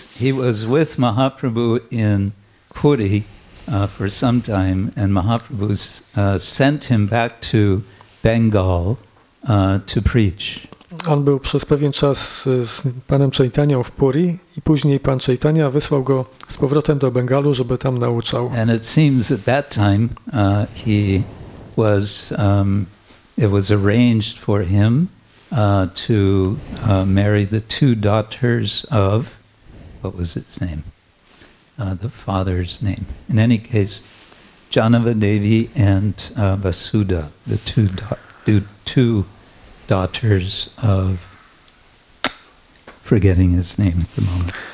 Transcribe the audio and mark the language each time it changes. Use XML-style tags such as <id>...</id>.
<en>He was with Mahaprabhu in Puri for some time, and Mahaprabhu sent him back to Bengal to preach.</en> <pl>On był przez pewien czas z panem Chaitanią w Puri i później pan Chaitania wysłał go z powrotem do Bengalu, żeby tam nauczał.</pl> <en>And it seems at that time he was it was arranged for him to marry the two daughters of what was its name? The father's name. In any case, Janava Devi and Vasudha, the two daughters of, forgetting his name at the moment.</en>